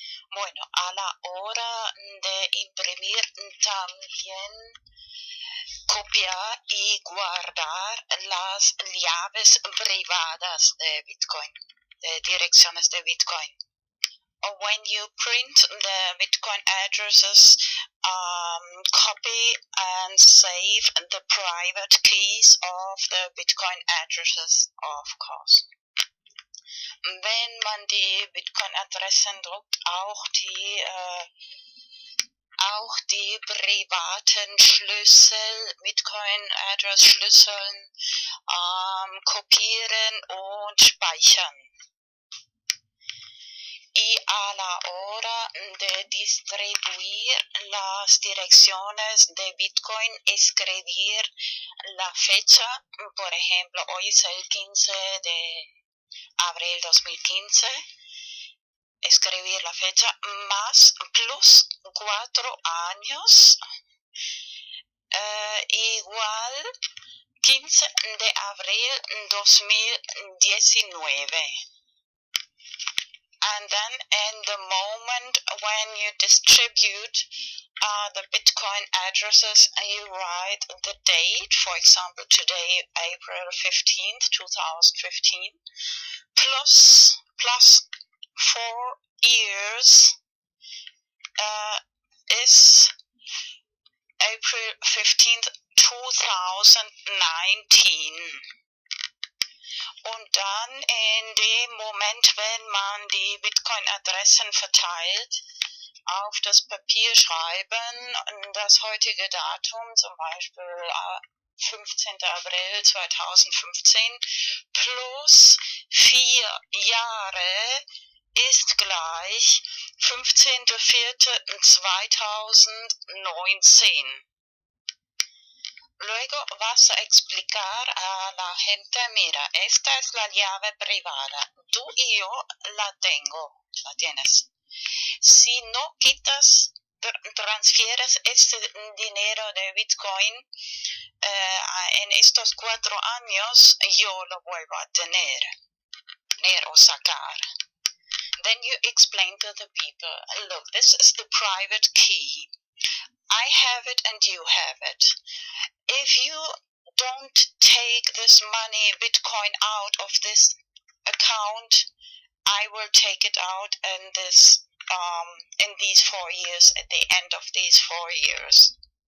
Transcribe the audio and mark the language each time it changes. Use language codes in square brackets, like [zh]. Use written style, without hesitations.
[es] Bueno, a la hora de imprimir también copiar y guardar las llaves privadas de Bitcoin, de direcciones de Bitcoin. [en] When you print the Bitcoin addresses, copy and save the private keys of the Bitcoin addresses, of course. [de] Wenn man die Bitcoin-Adressen druckt, auch die auch die privaten Schlüssel, Bitcoin-Address-Schlüsseln kopieren und speichern. [es] Y a la hora de distribuir las direcciones de Bitcoin, escribir la fecha, por ejemplo, hoy es el 15 de abril 2015, escribir la fecha más plus 4 años igual 15 de abril 2019. [en] And then in the moment when you distribute the Bitcoin addresses, you write the date, for example, today, April 15th, 2015, plus 4 years is April 15th, 2019. [de] Und dann in dem Moment, wenn man die Bitcoin-Adressen verteilt, auf das Papier schreiben, das heutige Datum, zum Beispiel 15. April 2015, plus 4 Jahre, ist gleich 15.04.2019. [es] Luego vas a explicar a la gente, mira, esta es la llave privada. Tú y yo la tengo, la tienes. Si no quitas, transfieres este dinero de Bitcoin en estos 4 años, yo lo vuelvo a tener o sacar. [en] Then you explain to the people, look, this is the private key. I have it and you have it. If you don't take this money, Bitcoin, out of this account, I will take it out in this in these 4 years, at the end of these 4 years.